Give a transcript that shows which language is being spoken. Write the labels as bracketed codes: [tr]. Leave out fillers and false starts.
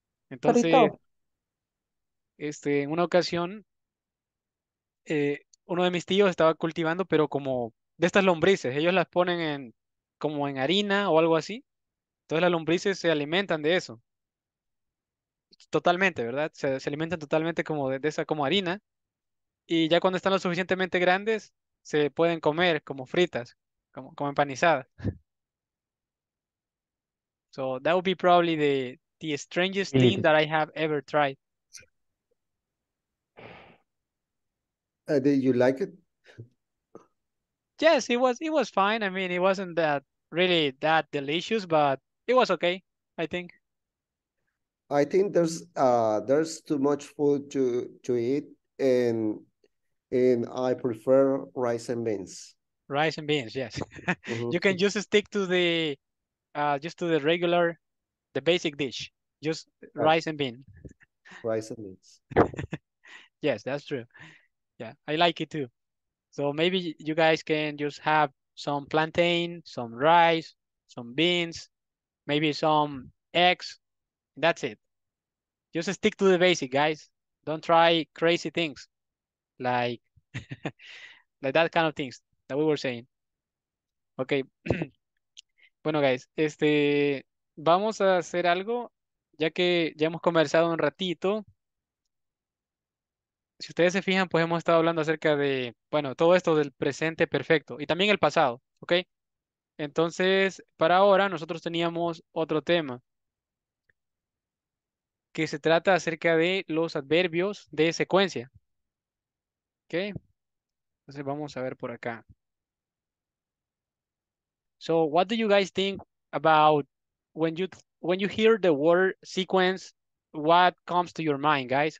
[es] Entonces, en una ocasión, uno de mis tíos estaba cultivando, pero como de estas lombrices, ellos las ponen en como en harina o algo así. Entonces las lombrices se alimentan de eso. Totalmente, ¿verdad? Se alimentan totalmente como de esa como harina. Y ya cuando están lo suficientemente grandes, se pueden comer como fritas, como empanizadas. [en] So that would be probably the strangest thing that I have ever tried. Did you like it? Yes, it was fine. I mean, it wasn't that really that delicious, but it was okay, I think. I think there's too much food to eat, and I prefer rice and beans. Rice and beans, yes. Mm-hmm. You can just stick to the regular, the basic dish. Just rice and beans. Rice and beans. Yes, that's true. Yeah, I like it too. So maybe you guys can just have some plantain, some rice, some beans, maybe some eggs. That's it. Just stick to the basic, guys. Don't try crazy things like like that kind of things that we were saying. Okay. [es] Bueno, guys, vamos a hacer algo, ya que ya hemos conversado un ratito. Si ustedes se fijan, pues hemos estado hablando acerca de, bueno, todo esto del presente perfecto y también el pasado, ¿ok? Entonces, para ahora, nosotros teníamos otro tema que se trata acerca de los adverbios de secuencia, ¿ok? Entonces, vamos a ver por acá. [en] So, what do you guys think about when you hear the word sequence, what comes to your mind, guys?